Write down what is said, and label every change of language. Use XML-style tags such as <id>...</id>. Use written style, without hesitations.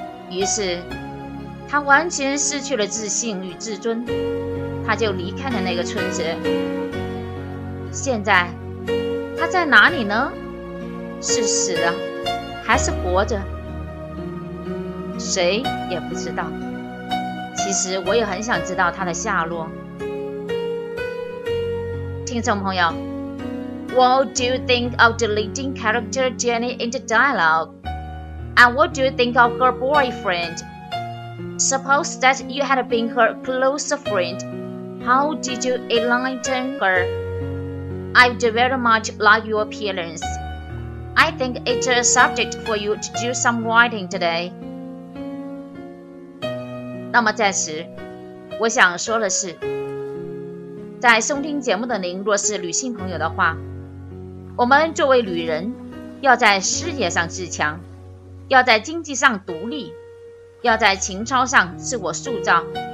<zh>于是他完全失去了自信与自尊，他就离开了那个村子。现在他在哪里呢？是死了还是活着？谁也不知道。其实我也很想知道他的下落。听众朋友，</zh> <en>What do you think of the leading character Jenny in the dialogue? And what do you think of her boyfriend? Suppose that you had been her close friend, how did you enlighten her? I'd very much like your opinions. I think it's a subject for you to do some writing today.</en> <zh>那么暂时，我想说的是，在收听节目的您若是女性朋友的话，我们作为女人，要在事业上自强，要在经济上独立，要在情操上自我塑造，</zh>